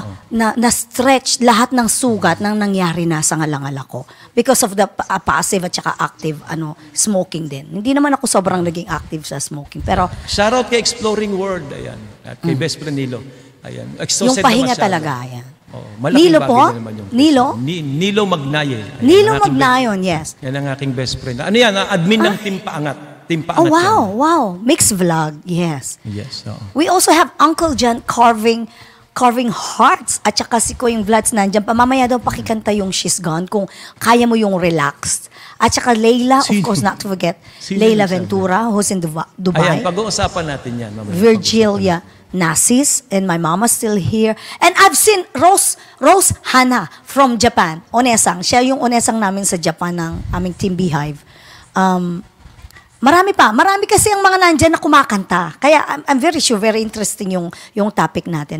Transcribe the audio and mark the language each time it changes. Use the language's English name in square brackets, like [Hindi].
[Filipino] Na-stretch lahat ng sugat ng nangyari na sa ngalangala ko. [English] Because of the passive [Filipino] at saka [English] active smoking din. [Filipino] Hindi naman ako sobrang naging active sa smoking. Pero, shout out kay Exploring World, ayan. At kay Best Friend Nilo. Ayan. Yung pahinga talaga, ayan. Oh, Nilo po? Nilo? Nilo Magnaye. Ayan. Nilo Magnayon, yes. Yan ang aking best friend. Ano yan? Admin ng Team Paangat. Team Paangat. [English] Oh, wow. Wow. Mixed vlog, yes. Yes. Oh. We also have Uncle John carving hearts. [Filipino] At saka si Kuyang Vlads nandiyan. Pamamaya daw pakikanta yung She's Gone kung kaya mo yung relaxed. At saka [English] Layla, of course, not to forget. Layla Ventura, who's in Dubai. [Filipino] Ayan, pag-uusapan natin yan. [English] Virgilia Nasis, and my mama's still here. And I've seen Rose Hana from Japan. Onesang. [Filipino] Siya yung onesang namin sa Japan ng aming Team Beehive. Marami pa. Marami kasi ang mga nandyan na kumakanta. [English] Kaya I'm very sure, very interesting yung topic natin.